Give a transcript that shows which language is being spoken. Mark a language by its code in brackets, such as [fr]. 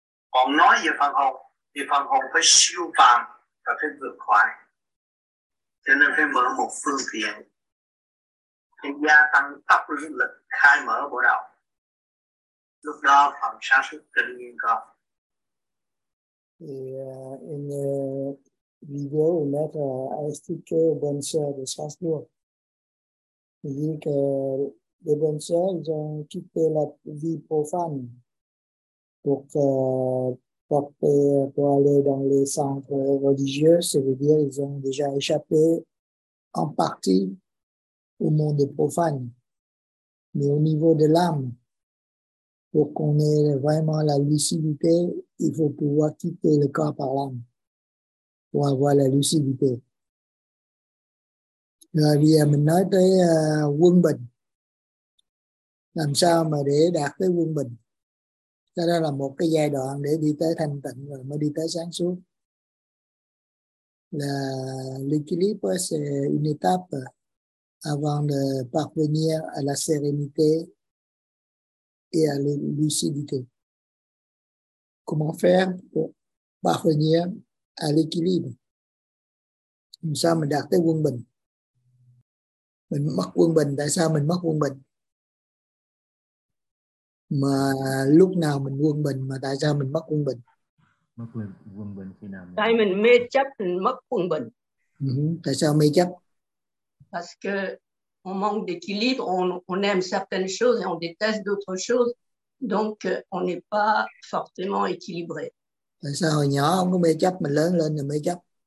[vi] Còn nói về phần hồn thì phần hồn phải siêu phàm và phải vượt khỏi. Cho nên phải mở một phương tiện gia tăng tốc lực khai mở bộ đầu, lúc đó phần sáng suốt tự nhiên có. [en] In the video we met, I speak to Bon Sir, the Sasnur. [fr] Il dit que les Bon Sir, ils ont quitté la vie profane pour aller dans les centres religieux. Ça veut dire qu'ils ont déjà échappé en partie au monde profane, mais au niveau de l'âme, pour qu'on ait vraiment la lucidité, il faut pouvoir quitter le corps par l'âme pour avoir la lucidité. [vi] Rồi mình nói tới quân bình. Làm sao mà để đạt tới quân bình? Cái đó là một cái giai đoạn để đi tới thanh tịnh rồi mới đi tới sáng suốt. [fr] Là l'équilibre, c'est une étape avant de parvenir à la sérénité et à la lucidité. Comment faire pour parvenir à l'équilibre? [vi] Làm sao mình đạt tới quân bình? Mình mất quân bình, tại sao mình mất quân bình? Mà lúc nào mình quân bình mà tại sao mình mất quân bình? Mất quân bình khi nào? Tại mình mê chấp mình mất quân bình. Tại sao mê chấp? [fr] Parce que on manque d'équilibre, on aime certaines choses et on déteste d'autres choses, donc on n'est pas fortement équilibré. [vi] Tại sao hồi nhỏ không có mê chấp mà lớn lên là mê chấp?